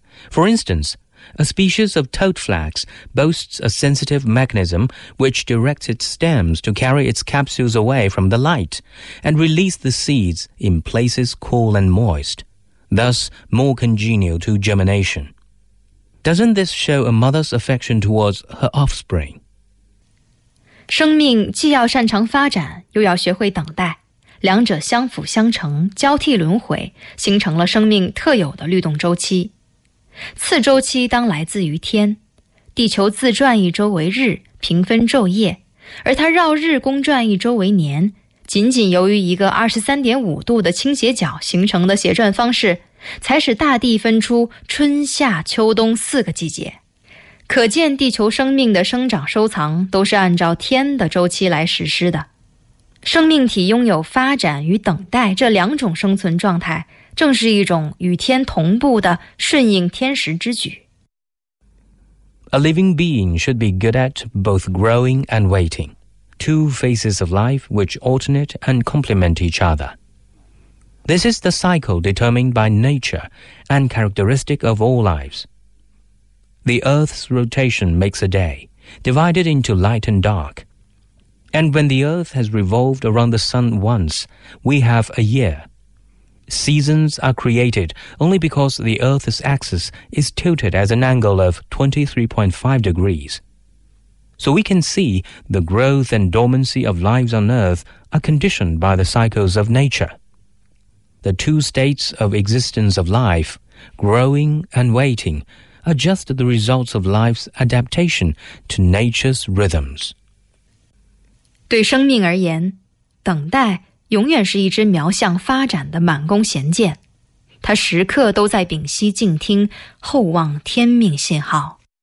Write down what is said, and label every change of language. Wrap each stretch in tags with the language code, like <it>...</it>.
<en>For instance, a species of toad flax boasts a sensitive mechanism which directs its stems to carry its capsules away from the light and release the seeds in places cool and moist, thus more congenial to germination. Doesn't this show a mother's affection towards her offspring?</en> <zh>生命既要擅长发展，又要学会等待，两者相辅相成，交替轮回，形成了生命特有的律动周期。次周期当来自于天，地球自转一周为日，平分昼夜，而它绕日公转一周为年，仅仅由于一个 23.5 度的倾斜角形成的斜转方式，才使大地分出春夏秋冬四个季节。可见地球生命的生长收藏都是按照天的周期来实施的。生命体拥有发展与等待这两种生存状态，正是一种与天同步的顺应天时之举。</zh> <en>A living being should be good at both growing and waiting, two phases of life which alternate and complement each other. This is the cycle determined by nature and characteristic of all lives. The earth's rotation makes a day, divided into light and dark. And when the earth has revolved around the sun once, we have a year. Seasons are created only because the Earth's axis is tilted at an angle of 23.5 degrees. So we can see the growth and dormancy of lives on Earth are conditioned by the cycles of nature. The two states of existence of life, growing and waiting, are just the results of life's adaptation to nature's rhythms.</en> <zh>对生命而言，等待永远是一支瞄向发展的满弓弦箭，它时刻都在屏息静听，厚望天命信号。</zh>